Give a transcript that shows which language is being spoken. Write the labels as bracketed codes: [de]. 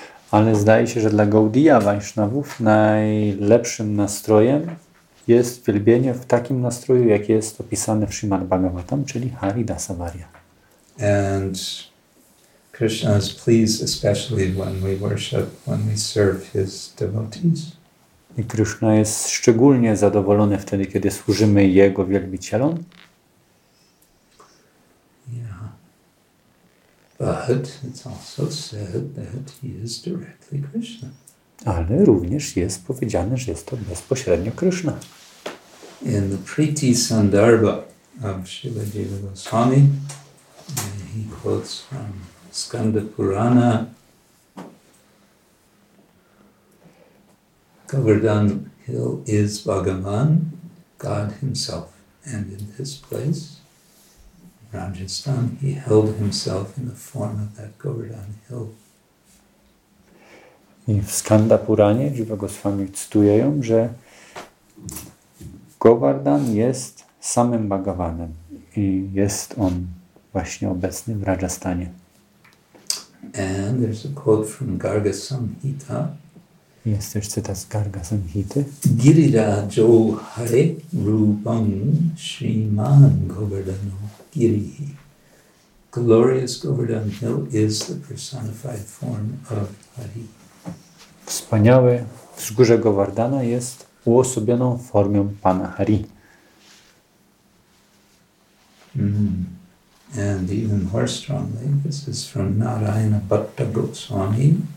[pl] Ale zdaje się, że dla Gaudiya Vaishnavów najlepszym nastrojem jest wielbienie w takim nastroju, jaki jest opisany w Śrīmad Bhagavatam, czyli Haridasavarya. [en] And Krishna is pleased especially when we worship, when we serve his devotees. [pl] I Krishna jest szczególnie zadowolony wtedy, kiedy służymy jego wielbicielom. [en] But it's also said that he is directly Krishna. [pl] Ale również jest powiedziane, że jest to bezpośrednio Krishna. [en] In the Priti Sandarbha of Śrīla Jīva Gosvāmī, he quotes from Skanda Purana, Govardhan Hill is Bhagavan, God himself, and in this place, Rajasthan, he held himself in the form of that Govardhan Hill. [pl] I w Skanda Puranie Jiva Goswami cytuje ją, że Govardhan jest samym Bhagavanem i jest on właśnie obecny w Rajasthanie. [en] And there's a quote from Garga Samhita. [pl] Jest też cytat z Garga Samhity. [sa] Girirajo hare rupam śrīmān Govardhano. [en] Glorious Govardhan Hill is the personified form of Hari. [pl] Wspaniałe wzgórze Govardhana jest uosobioną formą Pana Hari. [en] And even more strongly, this is from Narayana Bhatta Goswami,